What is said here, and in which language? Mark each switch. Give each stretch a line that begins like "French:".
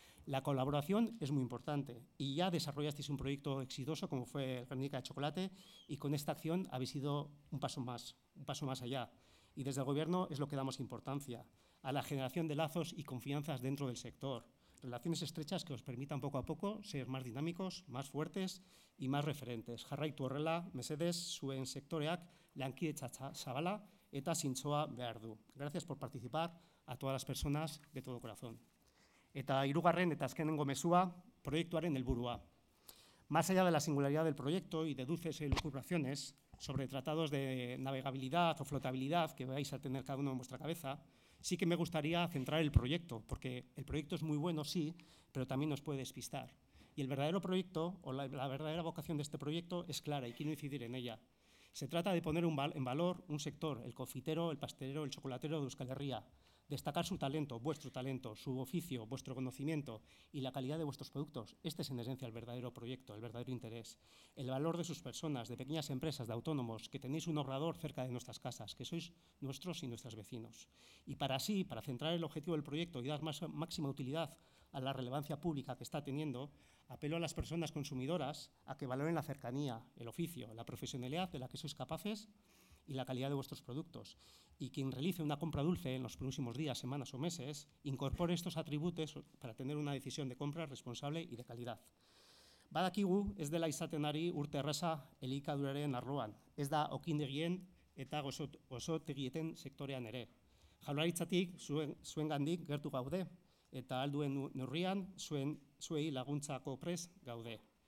Spanish: La colaboración es muy importante y ya desarrollasteis un proyecto exitoso como fue el Guernica de Chocolate y con esta acción habéis sido un paso más allá. Y desde el Gobierno es lo que damos importancia, a la generación de lazos y confianzas dentro del sector. Relaciones estrechas que os permitan poco a poco ser más dinámicos, más fuertes y más referentes.
Basque: Jarraitu horrela, mesedez, zuen sektoreak lankidetza zabala eta zintzoa behar du.
Spanish: Gracias por participar a todas las personas de todo corazón.
Basque: Eta hirugarren eta azkenengo mezua, proiektuaren helburua.
Spanish: Más allá de la singularidad del proyecto y deduces elucubraciones sobre tratados de navegabilidad o flotabilidad que vais a tener cada uno en vuestra cabeza, sí que me gustaría centrar el proyecto, porque el proyecto es muy bueno, sí, pero también nos puede despistar. Y el verdadero proyecto o la verdadera vocación de este proyecto es clara y quiero incidir en ella. Se trata de poner en valor un sector, el confitero, el pastelero, el chocolatero de Euskal Herria. Destacar su talento, vuestro talento, su oficio, vuestro conocimiento y la calidad de vuestros productos. Este es en esencia el verdadero proyecto, el verdadero interés. El valor de sus personas, de pequeñas empresas, de autónomos, que tenéis un obrador cerca de nuestras casas, que sois nuestros y nuestros vecinos. Y para así, para centrar el objetivo del proyecto y dar máxima utilidad a la relevancia pública que está teniendo, apelo a las personas consumidoras a que valoren la cercanía, el oficio, la profesionalidad de la que sois capaces y la calidad de vuestros productos. Y quien realice una compra dulce en los próximos días, semanas o meses, incorpore estos atributos para tener una decisión de compra responsable y de calidad.
Basque: Badakigu ez dela izaten ari urte erraza elikaduraren arloan, ez da okindegien eta gozotegietan sektorean ere. Jaurlaritzatik zuen gandik gertu gaude, eta alduen neurrian zuei laguntzako prest gaude.